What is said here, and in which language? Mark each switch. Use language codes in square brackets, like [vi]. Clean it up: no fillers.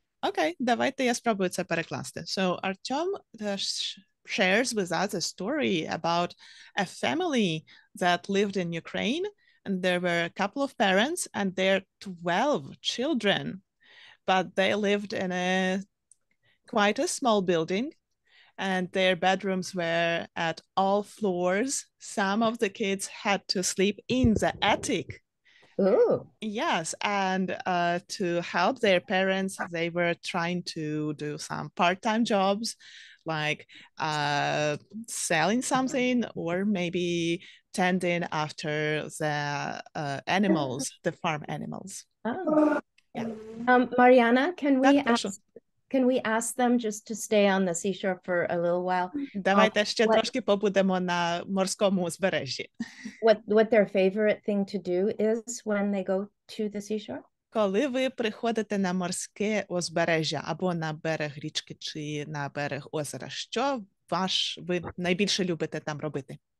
[uk] Окей, давайте я спробую це перекласти. [en] So, Артем shares with us a story about a family that lived in Ukraine. And there were a couple of parents and their 12 children, but they lived in a quite a small building and their bedrooms were at all floors. Some of the kids had to sleep in the attic. Ooh. Yes, and to help their parents, they were trying to do some part-time jobs, like selling something or maybe tending after the animals, the farm animals. Oh. Yeah. Marianna, can we can we ask them just to stay on the seashore for a little while? [uk] Давайте ще трошки побудемо на морському узбережжі. [en] What their favorite thing to do is when they go to the seashore? [uk] Коли ви приходите на морське узбережжя або на берег річки чи на берег озера, що ви найбільше любите там робити?